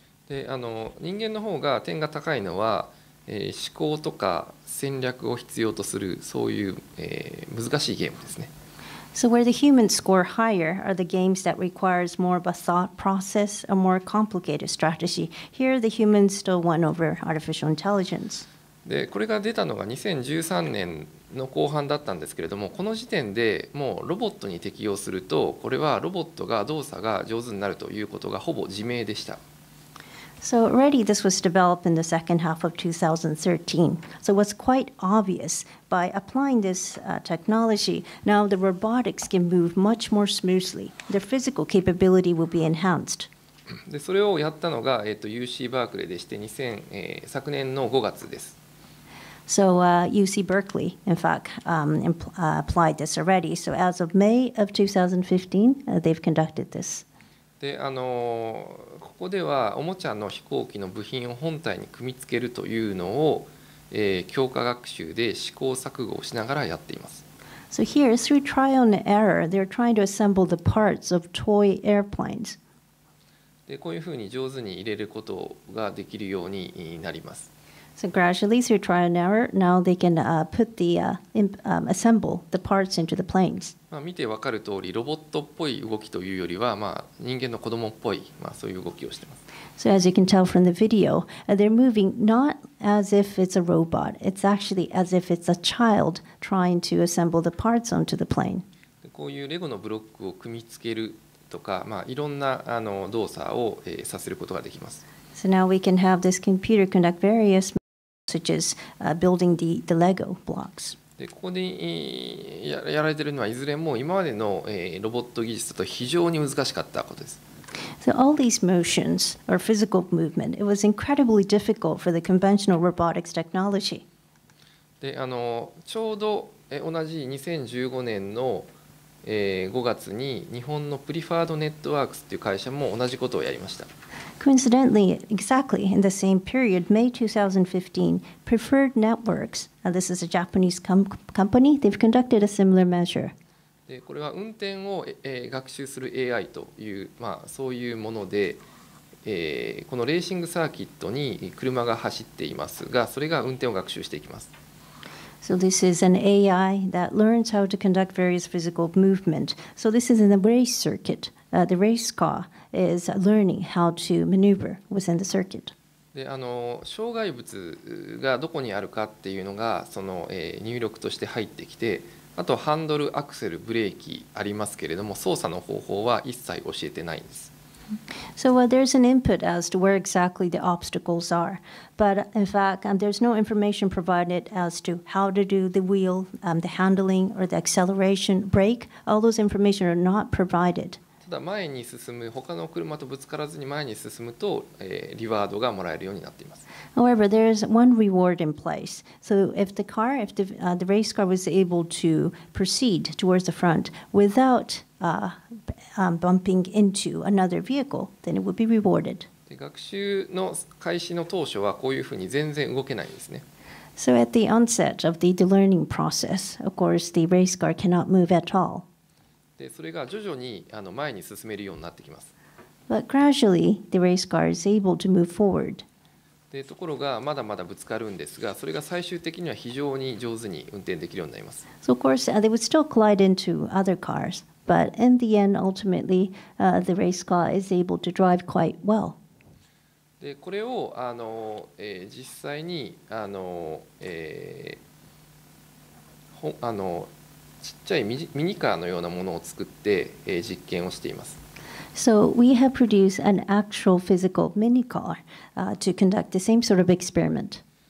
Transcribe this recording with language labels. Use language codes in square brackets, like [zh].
[ja] で、人間の方が点が高いのは、思考とか戦略を必要とするそういう、難しいゲームですね。 [en] So where the humans score higher are the games that requires more of a thought process, a more complicated strategy. Here, the humans still won over artificial intelligence. [ja] で、これが出たのが2013年の後半だったんですけれども、この時点でもうロボットに適用すると、これはロボットが動作が上手になるということがほぼ自明でした。 [en] So already this was developed in the second half of 2013. So it was quite obvious by applying this technology, now the robotics can move much more smoothly. Their physical capability will be enhanced. [ja] で、それをやったのが、UC バークレーでして、昨年の5月です。 [en] So UC Berkeley, in fact, applied this already. So as of May of 2015, they've conducted this. [ja] で、ここではおもちゃの飛行機の部品を本体に組み付けるというのを、強化学習で試行錯誤をしながらやっています。 [en] So here, through trial and error, they're trying to assemble the parts of toy airplanes. [ja] で、こういうふうに上手に入れることができるようになります。 [en] So gradually, through trial and error, now they can put the assemble the parts into the planes. [ja] 見てわかる通りロボットっぽい動きというよりは、人間の子供っぽい、そういう動きをしています。 [en] So as you can tell from the video, they're moving not as if it's a robot. It's actually as if it's a child trying to assemble the parts onto the plane. [ja] こういうレゴのブロックを組み付けるとか、いろんな動作を、させることができます。 [en] So now we can have this computer conduct various such as building the Lego blocks. [ja] で、ここでやられているのはいずれも今までの、ロボット技術と非常に難しかったことです。 [en] So all these motions or physical movement, it was incredibly difficult for the conventional robotics technology. [ja] で、ちょうど同じ2015年の、5月に日本のプリファードネットワークスっていう会社も同じことをやりました。 [en] Coincidentally, exactly in the same period, May 2015, Preferred Networks, this is a Japanese company, they've conducted a similar measure. [ja] で、これは運転を、学習する AI という、そういうもので、このレーシングサーキットに車が走っていますが、それが運転を学習していきます。 [en] So this is an AI that learns how to conduct various physical movement. So this is in the race circuit. The race car is learning how to maneuver within the circuit. [ja] で、障害物がどこにあるかっていうのがその、入力として入ってきて、あとハンドル、アクセル、ブレーキありますけれども、操作の方法は一切教えてないんです。 [en] So, there's an input as to where exactly the obstacles are. But in fact, there's no information provided as to how to do the wheel, the handling, or the acceleration brake. All those information are not provided. [ja] ただ前に進む、他の車とぶつからずに前に進むと、リワードがもらえるようになっています。 [en] However, there is one reward in place. So if the car, if the, the race car was able to proceed towards the front without bumping into another vehicle, then it would be rewarded. [ja] で、学習の開始の当初はこういうふうに全然動けないんですね。 [en] So at the onset of the learning process, of course, the race car cannot move at all. [ja] で、それが徐々に前に進めるようになってきます。 [en] But gradually, the race car is able to move forward. [ja] でところがまだまだぶつかるんですが、それが最終的には非常に上手に運転できるようになります。 [en] So of course, they would still collide into other cars, but in the end, ultimately, the race car is able to drive quite well. [ja] で、これを実際に ちっちゃいミニカーのようなものを作って、実験をしています。 [en] So we have produced an actual physical mini car, to conduct the same sort of experiment.